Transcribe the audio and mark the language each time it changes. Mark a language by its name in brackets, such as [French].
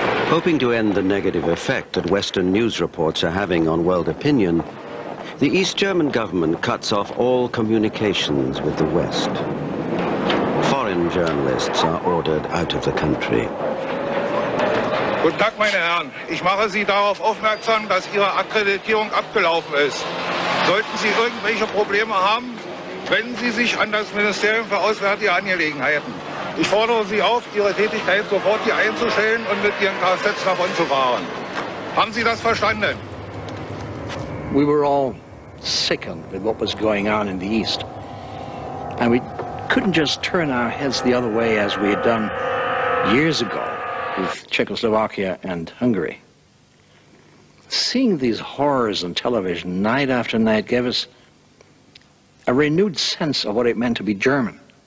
[English] Hoping to end the negative effect that Western news reports are having on world opinion, the East German government cuts off all communications with the West. Foreign journalists are ordered out of the country. [German] Guten Tag, meine Herren. Ich mache Sie darauf aufmerksam, dass Ihre Akkreditierung abgelaufen ist. Sollten Sie irgendwelche Probleme haben, wenden Sie sich an das Ministerium für Auswärtige Angelegenheiten. Ich fordere Sie auf, Ihre Tätigkeit sofort hier einzustellen und mit Ihren Kassetten davonzufahren. Haben Sie das verstanden? [English] We were all sickened with what was going on in the East. And we couldn't just turn our heads the other way as we had done years ago with Czechoslovakia and Hungary. Seeing these horrors on television night after night gave us a renewed sense of what it meant to be German.